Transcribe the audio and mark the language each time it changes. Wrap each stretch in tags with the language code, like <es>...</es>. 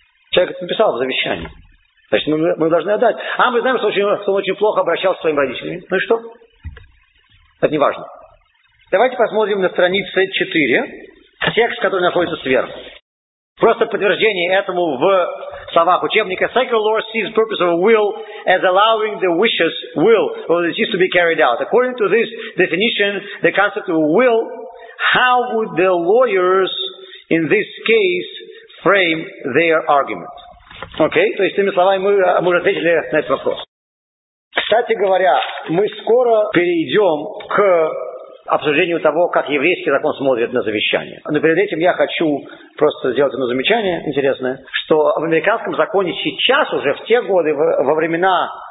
<ru>Человек это написал в завещании. Значит, мы должны отдать. А мы знаем, что он очень плохо обращался с своими родителями. Ну и что? Это не важно. Давайте посмотрим на странице 4, текст, который находится сверху. Просто подтверждение этому в словах учебника.</ru> <en>Secular law sees purpose of a will as allowing the wishes, will, or the deceased to be carried out. According to this definition, the concept of will, how would the lawyers in this case frame their argument?</en> <ru>Окей, то есть, иными словами, мы уже ответили на этот вопрос. Кстати говоря, мы скоро перейдем к обсуждению того, как еврейский закон смотрит на завещание. Но перед этим я хочу просто сделать одно замечание интересное, что в американском законе сейчас уже, в те годы, во времена</ru>